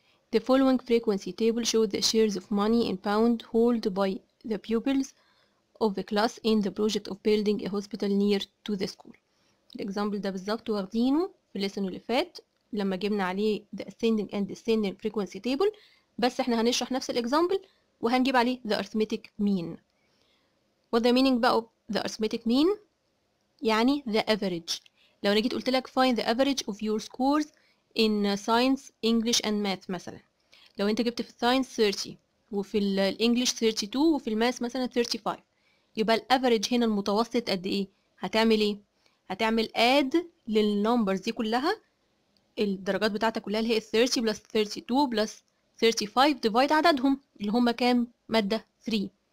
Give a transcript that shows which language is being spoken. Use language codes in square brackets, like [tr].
[en] The following frequency table shows the shares of money in pound held by the pupils of the class in the project of building a hospital near to the school. [ar] الاكزامبل ده بالظبط واخدينه في الليسن اللي فات لما جبنا عليه [en] the ascending and descending frequency table، [ar] بس احنا هنشرح نفس الاكزامبل وهنجيب عليه [en] the arithmetic mean. What the meaning [ar] بقى [en] of the arithmetic mean؟ [ar] يعني [en] the average. [ar] لو انا جيت قلت لك [en] find the average of your scores in science, English and math [ar] مثلا، لو انت جبت في science 30 وفي الانجليش 32 وفي الماث مثلا 35، يبقى الافريج هنا المتوسط قد ايه؟ هتعمل ايه؟ هتعمل add للنمبرز دي كلها، الدرجات بتاعتك كلها اللي هي 30 بلس 32 بلس 35 ديفايد عددهم اللي هما كام؟ مادة 3.